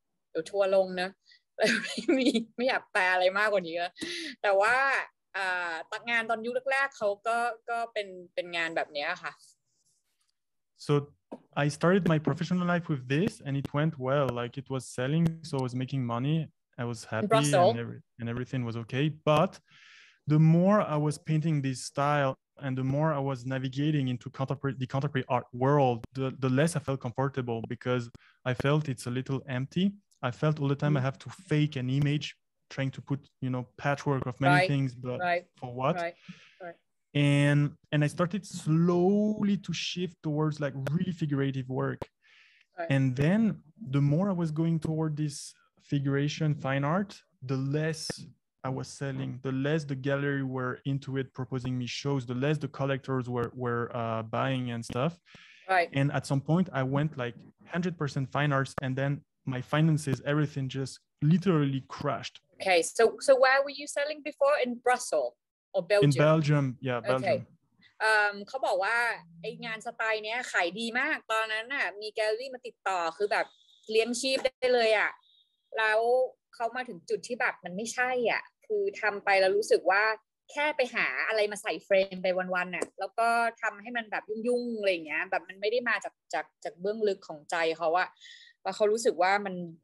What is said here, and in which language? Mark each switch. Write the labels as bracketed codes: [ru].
[th] เดี๋ยวทัวลงนะไม่อยากแปลอะไรมากกว่านี้แต่ว่าตักงานตอนยุคแรกๆเขาก็เป็นงานแบบนี้ค่ะ [en] so I started my professional life with this and it went well like it was selling so I was making money I was happy and everything was okay but the more I was painting this style and the more I was navigating into contemporary art world the less I felt comfortable because I felt it's a little empty I felt all the time I have to fake an image trying to put you know patchwork of many things but for what and I started slowly to shift towards like really figurative work and then the more I was going toward this figuration fine art the less I was selling, the less the gallery were into it, proposing me shows, the less the collectors were buying and stuff. Right. And at some point I went like 100% fine arts and then my finances, everything just literally crashed. Okay. So where were you selling before? In Brussels or Belgium? In Belgium. Yeah, Belgium. Okay. [th] เขาบอกว่าไองานสไตล์เนี้ยขายดีมากตอนนั้นน่ะมีแกลเลอรี่มาติดต่อคือแบบเลี้ยงชีพได้เลยอ่ะแล้วเขามาถึงจุดที่แบบมันไม่ใช่อ่ะคือทำไปแล้วรู้สึกว่าแค่ไปหาอะไรมาใส่เฟรมไปวันๆน่ะแล้วก็ทำให้มันแบบยุ่งๆอะไรเงี้ยแบบมันไม่ได้มาจากเบื้องลึกของใจเขาอะแล้วเขารู้สึกว่ามัน